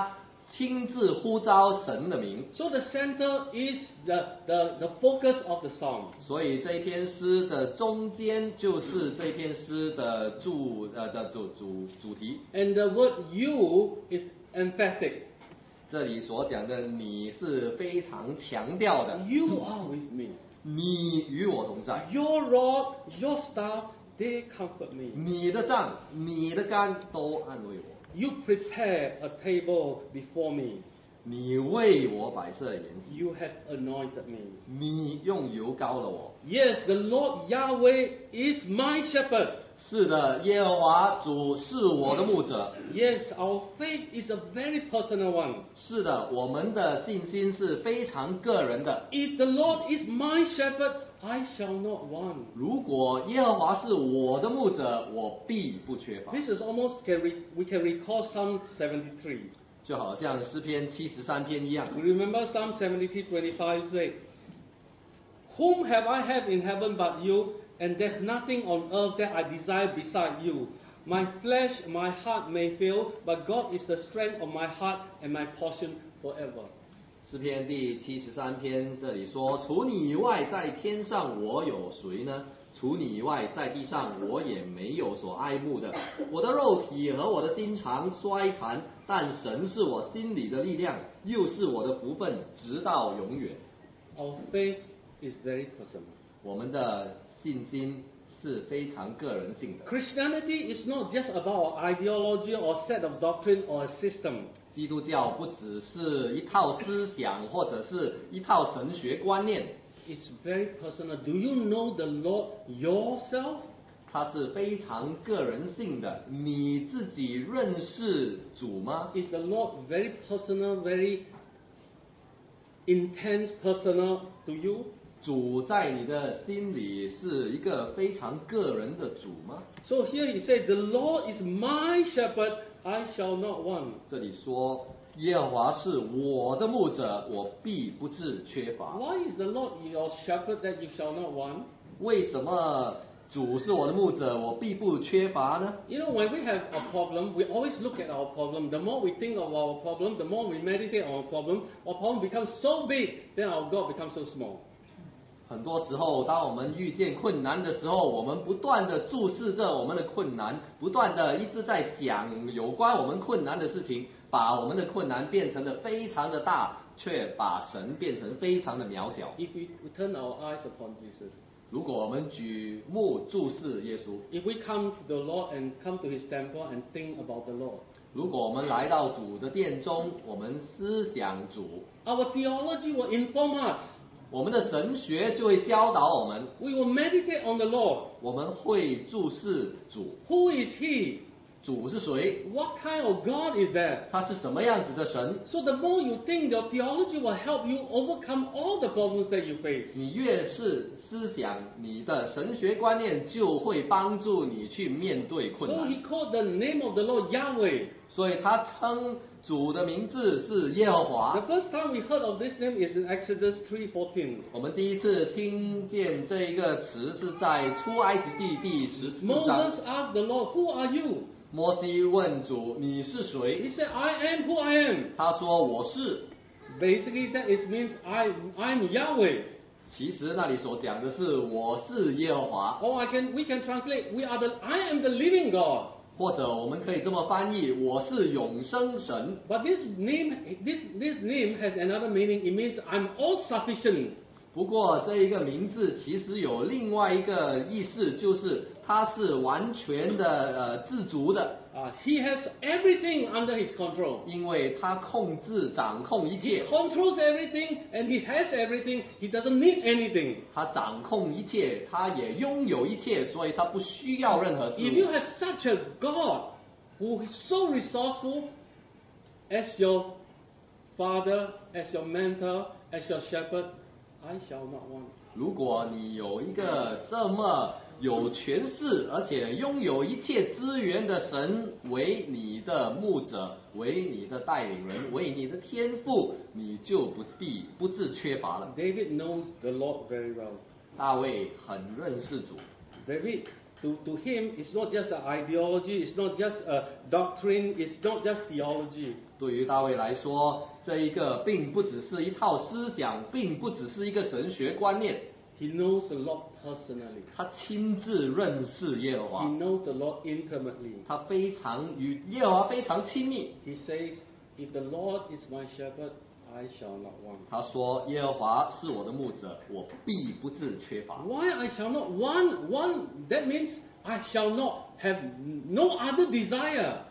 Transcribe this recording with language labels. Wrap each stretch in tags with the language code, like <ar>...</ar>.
<zh>他从这个称呼耶和华的名字，然后到这个第三人称，再接着第二人称的时候，就是他亲自呼召神的名。</zh> <en>So the center is the focus of the song.</en> <zh>所以这篇诗的中间就是这篇诗的主题。</zh> <en>And the word you is emphatic.</en> <zh>这里所讲的你是非常强调的。</zh> <en>You are with me.</en> <zh>你与我同在。</zh> <en>Your rod, your staff, they comfort me.</en> <zh>你的杖、你的竿都安慰我。</zh> <en>You prepare a table before me.</en> <zh>你为我摆设筵席。</zh> <en>You have anointed me.</en> <zh>你用油膏了我。</zh> <en>Yes, the Lord Yahweh is my shepherd.</en> <zh>是的，耶和华主是我的牧者。</zh> <en>Yes, our faith is a very personal one.</en> <zh>是的，我们的信心是非常个人的。</zh> <en>If the Lord is my shepherd, I shall not want.</en> <zh>如果耶和华是我的牧者，我必不缺乏。</zh> <en>This is almost we can recall Psalm 73.</en> <zh>就好像诗篇七十三篇一样。</zh> <en>Remember Psalm 72:25 says, "Whom have I had in heaven but you? And there's nothing on earth that I desire beside you. My flesh, my heart may fail, but God is the strength of my heart and my portion forever."</en> <zh>诗篇第七十三篇这里说，除你以外，在天上我有谁呢？除你以外，在地上我也没有所爱慕的。我的肉体和我的心肠衰残，但神是我心里的力量，又是我的福分，直到永远。</zh> <en>Our faith is very personal.</en> <zh>我们的信心是非常个人性的。</zh> <en>Christianity is not just about ideology or set of doctrine or a system.</en> <zh>基督教不只是一套思想或者是一套神学观念。</zh> <en>It's very personal. Do you know the Lord yourself?</en> <zh>它是非常个人性的。你自己认识主吗？</zh> <en>Is the Lord very personal, very intense personal to you?</en> <zh>主在你的心里是一个非常个人的主吗？</zh> <en>So here he said, the Lord is my shepherd, I shall not want.</en> <zh>这里说耶和华是我的牧者，我必不致缺乏。</zh> <en>Why is the Lord your shepherd that you shall not want?</en> <zh>为什么主是我的牧者，我必不缺乏呢？</zh> <en>You know, when we have a problem, we always look at our problem. The more we think of our problem, the more we meditate on our problem becomes so big, then our God becomes so small.</en> <zh>很多时候，当我们遇见困难的时候，我们不断地注视着我们的困难，不断地一直在想有关我们困难的事情，把我们的困难变成了非常的大，却把神变成非常的渺小。</zh> <en>If we turn our eyes upon Jesus,</en> <zh>如果我们举目注视耶稣，</zh> <en>If we come to the Lord and come to His temple and think about the Lord,</en> <zh>如果我们来到主的殿中，我们思想主，</zh> <en>Our theology will inform us,</en> <zh>我们的神学就会教导我们，</zh> <en>We will meditate on the Lord,</en> <zh>我们会注视主。</zh> <en>Who is He?</en> <zh>主是谁？</zh> <en>What kind of God is that?</en> <zh>他是什么样子的神？</zh> <en>So the more you think, your theology will help you overcome all the problems that you face.</en> <zh>你越是思想，你的神学观念就会帮助你去面对困难。</zh> <en>So he called the name of the Lord Yahweh.</en> <zh>所以他称主的名字是耶和华。</zh> <en>The first time we heard of this name is in Exodus 3:14.</en> <zh>我们第一次听见这一个词是在出埃及记第十四章。</zh> <en>Moses asked the Lord, "Who are you?"</en> <zh>摩西问主，你是谁？</zh> <en>He said, "I am who I am."</en> <zh>他说我是。</zh> <en>Basically, that it means I'm Yahweh.</en> <zh>其实那里所讲的是我是耶和华。</zh> <en>Or we can translate, "We are the I am the living God."</en> <zh>或者我们可以这么翻译，我是永生神。</zh> <en>But this name has another meaning. It means I'm all sufficient.</en> <zh>不过这一个名字其实有另外一个意思，就是他是完全的自足的。</zh> <en>He has everything under his control.</en> <zh>因为他控制掌控一切。</zh> <en>He controls everything and he has everything. He doesn't need anything.</en> <zh>他掌控一切，他也拥有一切，所以他不需要任何事物。</zh> <en>If you have such a God who is so resourceful as your father, as your mentor, as your shepherd, I shall not want.</en> <zh>如果你有一个这么有权势而且拥有一切资源的神为你的牧者，为你的带领人，为你的天父，你就不致缺乏了。</zh> <en>David knows the Lord very well.</en> <zh>大卫很认识主。</zh> <en>David, to him, it's not just an ideology, it's not just a doctrine, it's not just theology.</en> <zh>对于大卫来说，这一个并不只是一套思想，并不只是一个神学观念。</zh> <en>He knows the Lord personally.</en> <zh>他亲自认识耶和华。</zh> <en>He knows the Lord intimately.</en> <zh>他非常与耶和华非常亲密。</zh> <en>He says, "If the Lord is my shepherd, I shall not want."</en> <zh>他说耶和华是我的牧者，我必不致缺乏。</zh> <en>Why I shall not want? One, that means I shall not have no other desire.</en>